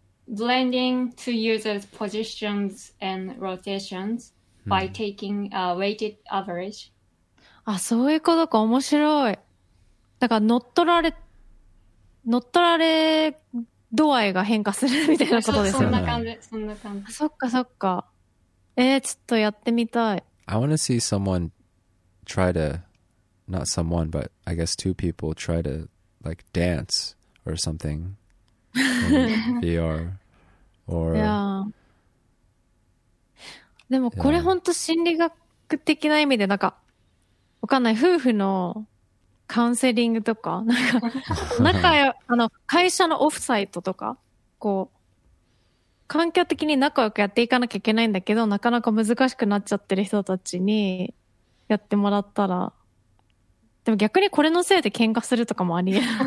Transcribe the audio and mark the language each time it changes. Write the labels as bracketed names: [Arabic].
[English] blending to users' positions and rotations by taking a weighted average. [Japanese] あ、そういうことか、面白い。だから乗っ取られ度合いが変化するみたいなことですよね。そんな感じ。そっかそっか。ちょっとやってみたい。 [English] I want to see someone try to, not someone, but I guess two people try to like dance or something in VR. Or, [Japanese] でもこれ本当心理学的な意味でなんか、わかんない。夫婦のカウンセリングとか、なんか、会社のオフサイトとか、こう、環境的に仲良くやっていかなきゃいけないんだけど、なかなか難しくなっちゃってる人たちにやってもらったら、でも逆にこれのせいで喧嘩するとかもありえな